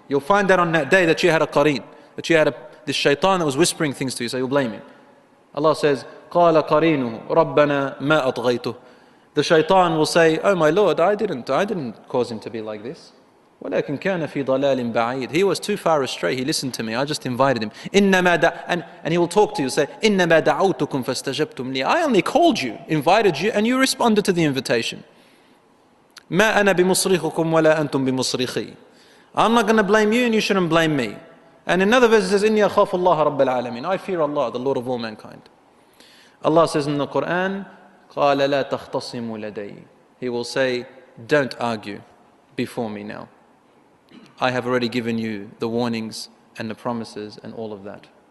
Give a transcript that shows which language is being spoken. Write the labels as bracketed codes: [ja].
[en] You'll find that on that day that you had a qareen, that you had this shaitan that was whispering things to you, so you'll blame him. Allah says, [ar] قَالَ قَرِينُهُ رَبَّنَا مَا أَطْغَيْتُهُ. [en] The shaitan will say, oh my Lord, I didn't cause him to be like this. [ar] وَلَكِنْ كَانَ فِي ضَلَالٍ بَعِيدٍ. [en] He was too far astray, he listened to me, I just invited him. And he will talk to you, say, [ar] إِنَّمَا دَعَوْتُكُمْ فَاسْتَجَبْتُمْ لِي. [en] I only called you, invited you, and you responded to the invitation. [ar] مَا أَنَا بِمُصْرِخُكُمْ وَلَا أَنْتُمْ بِمُصْرِخِي. [en] I'm not going to blame you and you shouldn't blame me. And another verse says, [ar] إِنِّي أَخَافُ اللَّهَ رَبَّ الْعَالَمِينَ. [en] I fear Allah, the Lord of all mankind. Allah says in the Quran, [ar] قَالَ لَا تَخْتَصِمُ لَدَيِّ. [en] He will say, don't argue before me now. I have already given you the warnings and the promises and all of that.